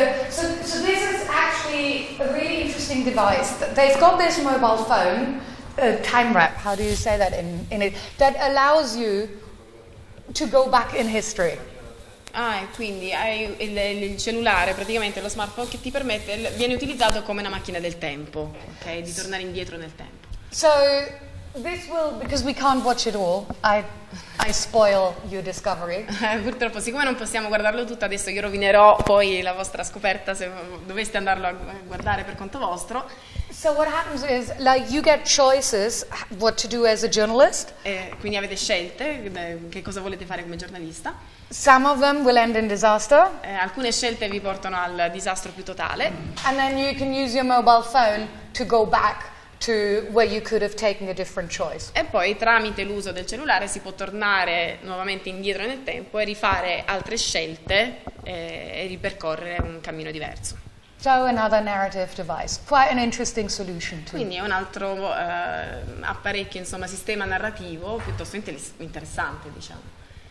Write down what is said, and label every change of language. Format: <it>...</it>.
<en>So this is actually a really interesting device. They've got this mobile phone, time wrap, how do you say that in it, that allows you to go back in history.</en> <it>Ah, quindi hai il cellulare, praticamente lo smartphone che ti permette, viene utilizzato come una macchina del tempo, ok, di tornare indietro nel tempo.</it> <en>So this will, because we can't watch it all, I spoil your discovery.</en> <it>Purtroppo, siccome non possiamo guardarlo tutto, adesso io rovinerò poi la vostra scoperta se doveste andarlo a guardare per conto vostro.</it> <en>So what happens is, like, you get choices what to do as a journalist.</en> <it>Quindi avete scelte, che cosa volete fare come giornalista.</it> <en>Some of them will end in disaster.</en> <it>Alcune scelte vi portano al disastro più totale.</it> <en>And then you can use your mobile phone to go back to where you could have taken a different choice.</en> <it>E poi tramite l'uso del cellulare si può tornare nuovamente indietro nel tempo e rifare altre scelte e ripercorrere un cammino diverso.</it> <en>So another narrative device, quite an interesting solution too.</en> <it>Quindi è un altro apparecchio, insomma, sistema narrativo piuttosto interessante, diciamo.</it>